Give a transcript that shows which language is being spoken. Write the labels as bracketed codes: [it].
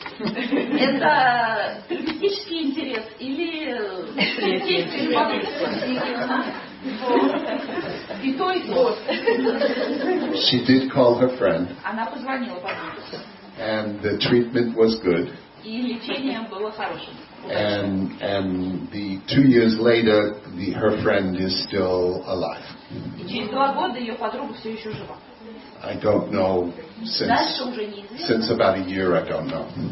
[ru] Это терапевтический интерес или и то и то. [en] She did call her friend. [ru] Она позвонила подруге. [en] And the treatment was good. [ru] И лечение было хорошим. [en] And the 2 years later, her friend is still alive. [ru] И через 2 года ее подруга все еще жива. [en] I don't know since about a year, I don't know.